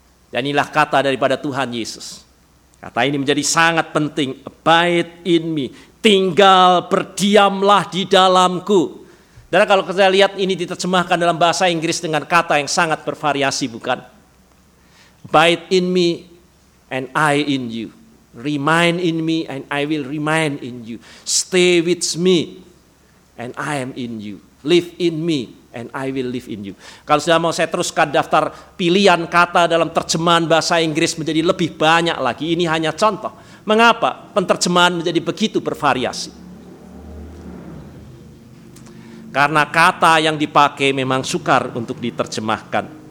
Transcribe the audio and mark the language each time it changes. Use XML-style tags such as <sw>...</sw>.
<id>Dan inilah kata daripada Tuhan Yesus. Kata ini menjadi sangat penting,</id> <en>abide in me,</en> <id>tinggal berdiamlah di dalamku. Dan kalau kita lihat ini diterjemahkan dalam bahasa Inggris dengan kata yang sangat bervariasi, bukan?</id> <en>Abide in me and I in you, remain in me and I will remain in you, stay with me and I am in you, live in me and I will live in you.</en> <id>Kalau sudah mau saya teruskan daftar pilihan kata dalam terjemahan bahasa Inggris menjadi lebih banyak lagi. Ini hanya contoh. Mengapa penterjemahan menjadi begitu bervariasi? Karena kata yang dipakai memang sukar untuk diterjemahkan.</id>